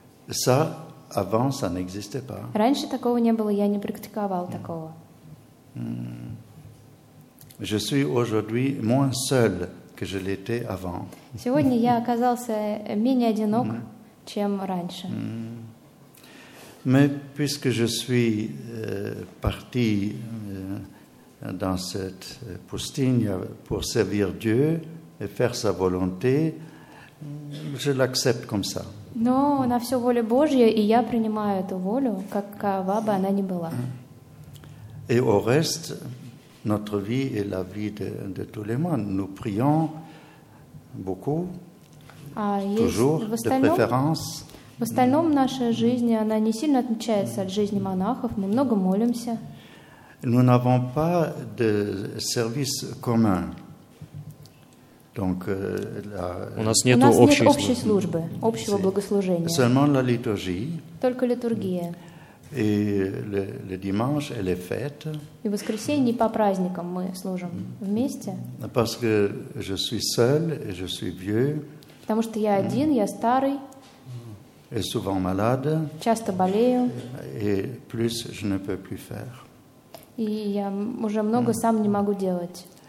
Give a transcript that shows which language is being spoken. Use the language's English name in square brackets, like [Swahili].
[French] Ça, avant, ça n'existait pas. [Russian] Раньше такого не было, я не практиковал такого. [French] Je suis aujourd'hui moins seul que je l'étais avant. [Russian] Сегодня я оказался менее одинок, чем раньше. [French] Mais puisque je suis parti dans cette pustinia pour servir Dieu, et faire sa volonté, je l'accepte comme ça. [Russian] Но на все воля Божья, и я принимаю эту волю, какова бы она ни была. [French] Et au reste, notre vie est la vie de tous les moines. Nous prions beaucoup, toujours, de préférence. [Russian] В остальном наша жизнь, она не сильно отличается от жизни монахов. Мы много молимся. [French] Nous n'avons pas de service commun. Donc, [Russian] у нас нет общей службы, общего благослужения. [French] Seulement la liturgie. [Russian] Только литургия. [French] Et le dimanche et les fêtes. [Russian] И в воскресенье по праздникам мы служим вместе. [French] Parce que je suis seul et je suis vieux. [Russian] Потому что я один, я старый. [French] Et souvent malade. [Russian] Часто болею. [French] Et plus je ne peux plus faire. [Russian] И я уже много сам не могу делать.